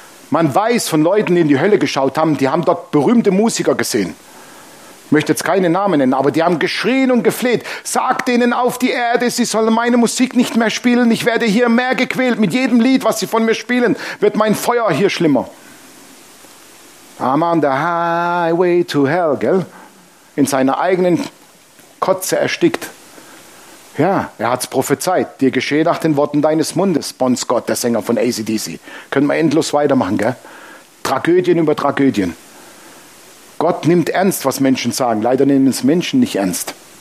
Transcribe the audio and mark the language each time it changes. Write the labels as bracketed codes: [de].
[de] Man weiß von Leuten, die in die Hölle geschaut haben, die haben dort berühmte Musiker gesehen. Ich möchte jetzt keine Namen nennen, aber die haben geschrien und gefleht. Sagt denen auf die Erde, sie sollen meine Musik nicht mehr spielen. Ich werde hier mehr gequält. Mit jedem Lied, was sie von mir spielen, wird mein Feuer hier schlimmer. [en] I'm on the highway to hell, gell? [de] In seiner eigenen Kotze erstickt. Ja, er hat's prophezeit. Dir geschehe nach den Worten deines Mundes, Bon Scott, der Sänger von AC/DC. Können wir endlos weitermachen, gell? Tragödien über Tragödien. Gott nimmt ernst, was Menschen sagen. Leider nehmen es Menschen nicht ernst.